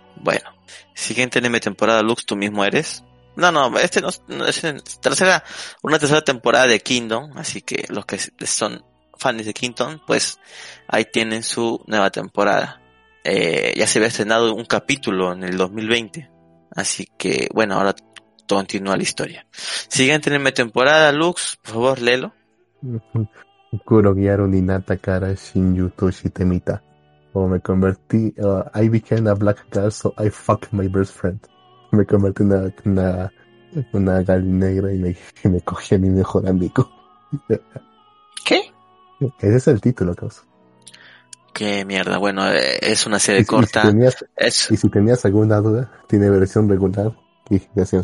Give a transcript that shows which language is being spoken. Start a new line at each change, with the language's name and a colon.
Spanish: Bueno, siguiente anime temporada, Lux, tú mismo eres. No, no, este no, no es tercera, una tercera temporada de Kingdom, así que los que son fans de Kingdom, pues ahí tienen su nueva temporada. Ya se había estrenado un capítulo en el 2020, así que bueno, ahora continúa la historia. Siguiente anime temporada, Lux, por favor, léelo.
Japanese: Kurogyaru Ninata Kara Shin Yutoshi Temita.
Spanish: O me convertí,
English: I became a black girl, so I fucked my best friend.
Spanish: Me convertí en una gal negra y me cogí a mi mejor amigo. ¿Qué? Ese es el título, caos. Qué mierda, bueno, es una serie y, corta. Y si tenías alguna duda, tiene versión regular y versión